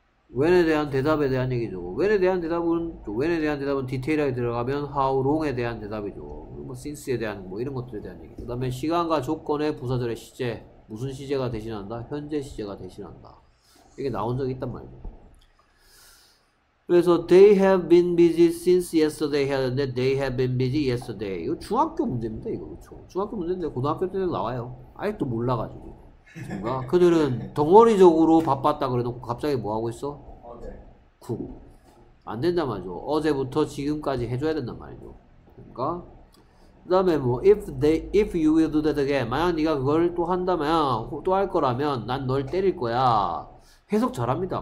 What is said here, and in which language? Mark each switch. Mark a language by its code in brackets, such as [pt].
[ko] when에 대한 대답에 대한 얘기죠. when에 대한 대답은 when에 대한 대답은 디테일하게 들어가면 how long에 대한 대답이죠. 뭐 since에 대한 뭐 이런 것들에 대한 얘기. 그다음에 시간과 조건의 부사절의 시제. 무슨 시제가 대신한다? 현재 시제가 대신한다. 이게 나온 적이 있단 말이죠. 그래서 [en] they have been busy since yesterday [ko] 해야 되는데 [en] they have been busy yesterday. [ko] 이거 중학교 문제입니다. 이거 그렇죠. 중학교 문제인데 고등학교 때도 나와요. 아직도 몰라 가지고. 뭔가 그들은 덩어리적으로 바빴다 그래놓고 갑자기 뭐 하고 있어? 어제. 네. 안 된단 말이죠. 어제부터 지금까지 해줘야 된단 말이죠. 그러니까 그다음에 뭐 [en] if you will do that again, [ko] 만약 네가 그걸 또 한다면 또 할 거라면 난 널 때릴 거야. 해석 잘합니다.